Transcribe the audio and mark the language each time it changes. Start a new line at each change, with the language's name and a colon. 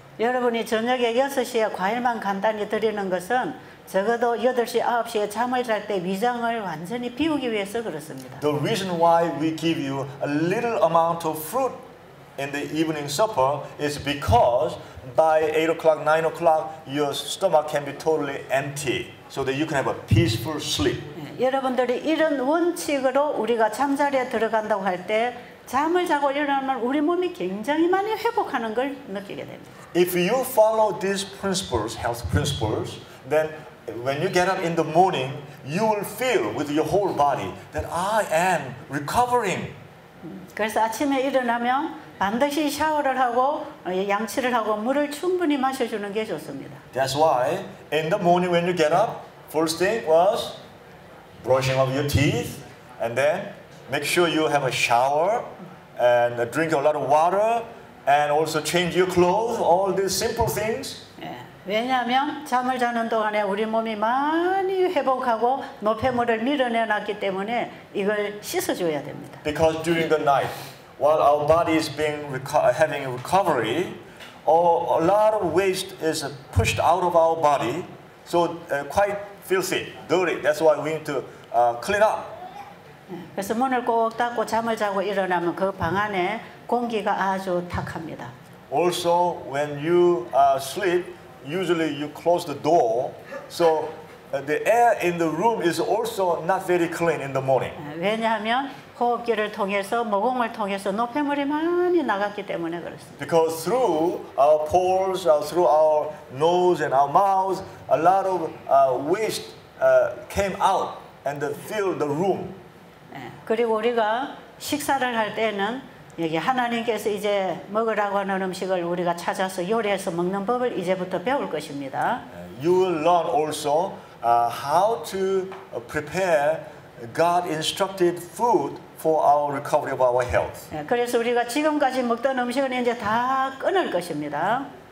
Korean: 여러분이 저녁에 6시에 과일만 간단히 드리는 것은 적어도 8시, 9시에 잠을 잘 때 위장을 완전히 비우기 위해서 그렇습니다.
English: The reason why we give you a little amount of fruit in the evening supper is because by 8 o'clock, 9 o'clock, your stomach can be totally empty, so that you can have a peaceful sleep.
Korean: 여러분들이 이런 원칙으로 우리가 잠자리에 들어간다고 할 때 잠을 자고 일어나면 우리 몸이 굉장히 많이 회복하는 걸 느끼게 됩니다.
English: If you follow these principles, health principles, then when you get up in the morning, you will feel with your whole body that I am recovering.
Korean: 그래서 아침에 일어나면 반드시 샤워를 하고 양치를 하고 물을 충분히 마셔주는 게 좋습니다.
English: That's why in the morning when you get up, first thing was brushing of your teeth, and then make sure you have a shower and drink a lot of water, and also change your clothes. All these simple things.
Korean: 왜냐하면 잠을 자는 동안에 우리 몸이 많이 회복하고 노폐물을 밀어내놨기 때문에 이걸 씻어줘야 됩니다.
English: Because during the night, while our body is being having a recovery, a lot of waste is pushed out of our body, so quite filthy, dirty. That's why we need to clean up.
Korean: 그래서 문을 꼭 닫고 잠을 자고 일어나면 그 방 안에 공기가 아주 탁합니다.
English: Also, when you sleep, usually you close the door, so the air in the room is also not very clean in the morning.
Korean: 왜냐하면 호흡기를 통해서 모공을 통해서 노폐물이 많이 나갔기 때문에 그렇습니다.
English: Because through our pores, through our nose and our mouth, a lot of waste came out and filled the room.
Korean: 그리고 우리가 식사를 할 때는 여기 하나님께서 이제 먹으라고 하는 음식을 우리가 찾아서 요리해서 먹는 법을 이제부터 배울 것입니다.
English: You will learn also how to prepare God instructed food for our recovery of our health.
Korean: 그래서 우리가 지금까지 먹던 음식은 이제 다 끊을 것입니다.